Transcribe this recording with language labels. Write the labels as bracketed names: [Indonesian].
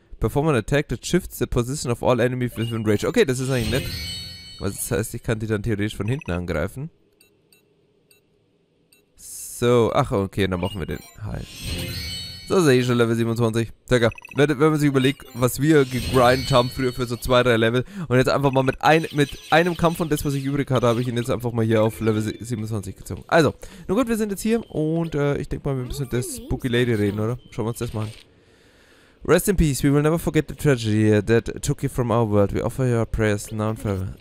[English] Perform an Attack that shifts the position of all enemies within range. [German] Okay, das ist eigentlich nett. Was das heißt, ich kann die dann theoretisch von hinten angreifen. So, ach, okay, dann machen wir den halt. So, sehe ich schon Level 27. Digga, wenn man sich überlegt, was wir gegrindet haben früher für so 2-3 Level und jetzt einfach mal mit einem Kampf und das, was ich übrig hatte, habe ich ihn jetzt einfach mal hier auf Level 27 gezogen. Also, nun gut, wir sind jetzt hier und ich denke mal, wir müssen mit der Spooky Lady reden, oder? Schauen wir uns das mal an. [English] Rest in peace, we will never forget the tragedy that took you from our world. We offer your prayers now and forever.